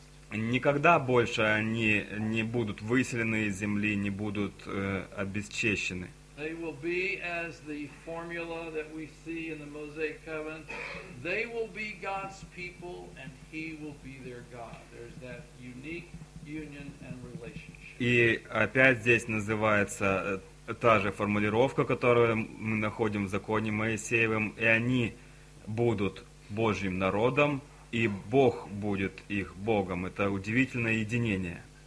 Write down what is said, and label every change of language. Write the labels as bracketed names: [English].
[Russian] Никогда больше они не будут выселены из земли, не будут обесчещены. [English] They will be as the formula that we see in the Mosaic Covenant. They will be God's people, and He will be their God. There's that unique union and relationship. [Russian] И опять здесь называется та же формулировка, которую мы находим в Законе Моисеевом. И они будут Божьим народом, и Бог будет их Богом. Это удивительное единение.